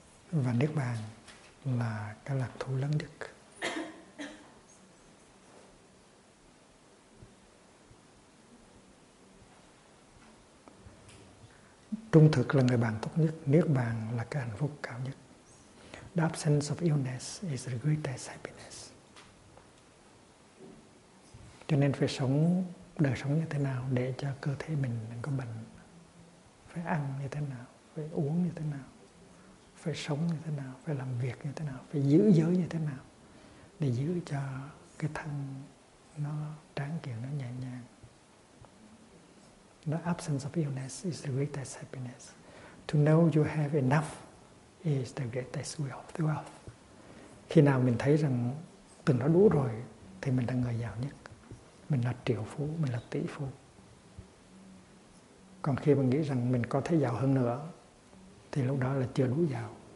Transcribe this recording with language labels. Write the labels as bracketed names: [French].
[Vietnamese] Và Niết Bàn là cái lạc thú lớn nhất. Trung thực là người bạn tốt nhất. Niết Bàn là cái hạnh phúc cao nhất. [English] The absence of illness is the greatest happiness. [Vietnamese] Cho nên phải sống đời sống như thế nào để cho cơ thể mình đừng có bệnh. Phải ăn như thế nào, phải uống như thế nào, phải sống như thế nào, phải làm việc như thế nào, phải giữ giới như thế nào để giữ cho cái thân nó tráng kiện, nó nhẹ nhàng. [English] The absence of illness is the greatest happiness. To know you have enough is the greatest wealth. [Vietnamese] Khi nào mình thấy rằng từng đó đủ rồi thì mình là người giàu nhất. Mình là triệu phú, mình là tỷ phú. Còn khi mình nghĩ rằng mình có thể giàu hơn nữa thì lúc đó là chưa đủ giàu.